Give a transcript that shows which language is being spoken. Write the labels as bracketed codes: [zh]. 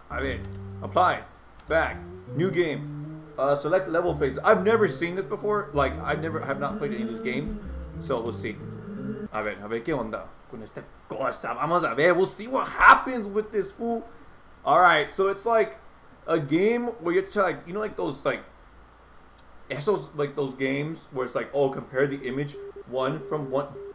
[es] A ver, [en] apply, back, new game. Select level phase. I've never seen this before. Like, I have not played any of this game. So we'll see. [es] A ver qué onda con esta cosa. Vamos a ver. [en] We'll see what happens with this fool. Alright, so it's like a game where you have to try, like, you know, like those, like, esos, like those games where it's like, oh, compare the image one from one.